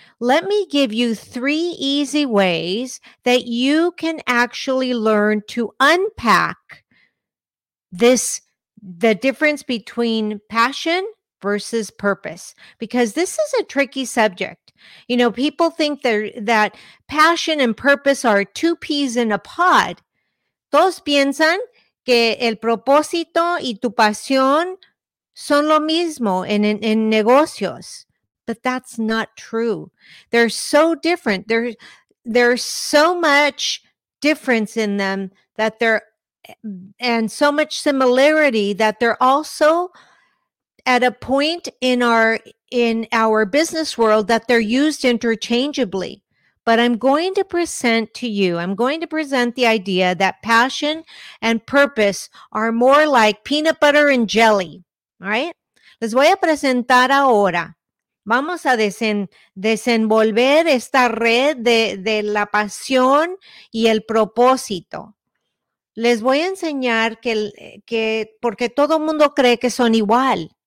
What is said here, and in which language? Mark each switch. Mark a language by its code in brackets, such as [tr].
[en] Let me give you three easy ways that you can actually learn to unpack this, the difference between passion versus purpose, because this is a tricky subject. You know, people think that passion and purpose are two peas in a pod. [es] Todos piensan que el propósito y tu pasión son lo mismo en negocios. [en] But that's not true. They're so different. There's so much difference in them that they're, and so much similarity that they're also at a point in our business world that they're used interchangeably. But I'm going to present the idea that passion and purpose are more like peanut butter and jelly. All right. [es] Les voy a presentar ahora. Vamos a desenvolver esta red de la pasión y el propósito. Les voy a enseñar que porque todo mundo cree que son igual.